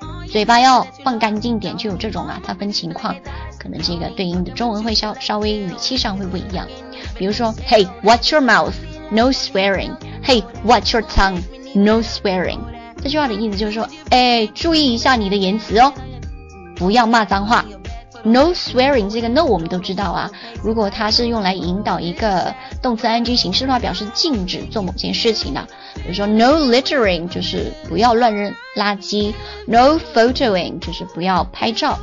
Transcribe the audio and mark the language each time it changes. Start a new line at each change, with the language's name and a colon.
Chinese: 嘴巴要放干净点，就有这种啊，它分情况，可能这个对应的中文会稍微语气上会不一样。
English: 比如说 Hey, watch your mouth, no swearing. Hey, watch your tongue, no swearing.
Chinese: 这句话的意思就是说，哎，注意一下你的言辞哦，不要骂脏话。
English: No swearing
Chinese: 这个 no 我们都知道啊，如果它是用来引导一个动词 ing 形式的话，表示禁止做某件事情的、啊、比如说
English: no littering
Chinese: 就是不要乱扔垃圾，
English: no photoing
Chinese: 就是不要拍照。